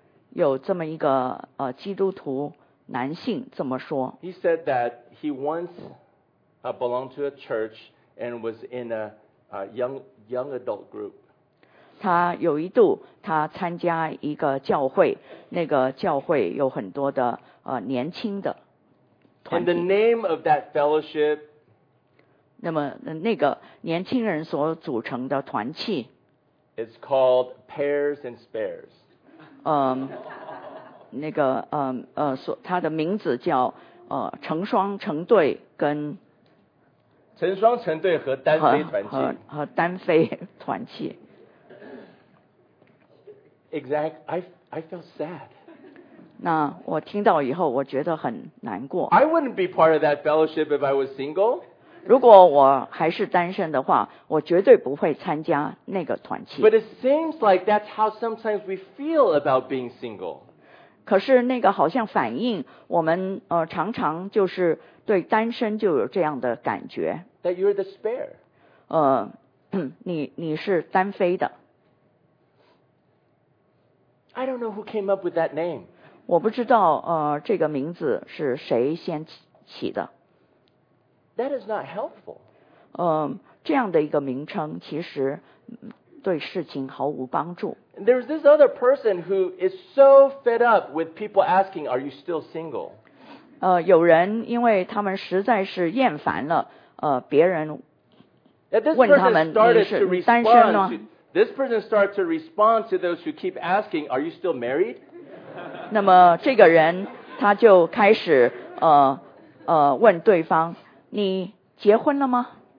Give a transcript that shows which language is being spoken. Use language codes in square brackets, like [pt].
[zh] 有这么一个基督徒男性这么说。 [en] He said that he once belonged to a church and was in a young adult group. [zh] 他有一度他参加一个教会，那个教会有很多的年轻的团体。 [en] And the name of that fellowship, [zh] 那么那个年轻人所组成的团契 [en] ，It's called Pears and Spares。 [zh] 那个他的名字叫成双成对跟成双成对和单飞团契和单飞团契。 [en] Exactly, I felt sad. [zh] 那我听到以后，我觉得很难过。 [en] I wouldn't be part of that fellowship if I was single. [zh] 如果我还是单身的话，我绝对不会参加那个团契。 [en] But it seems like that's how sometimes we feel about being single. [zh] 可是那个好像反映我们常常就是对单身就有这样的感觉。 [en] That you're the spare. [zh] 你是单飞的。 [en] I don't know who came up with that name. [zh] 我不知道这个名字是谁先起的。 [en] That is not helpful. [zh] 这样的一个名称其实对事情毫无帮助。 [en] There's this other person who is so fed up with people asking, "Are you still single?" [zh] 有人因为他们实在是厌烦了别人问他们你是单身吗？ [en] This person starts to respond to those who keep asking, "Are you still married?" [zh] 那么这个人他就开始问对方，你结婚了吗？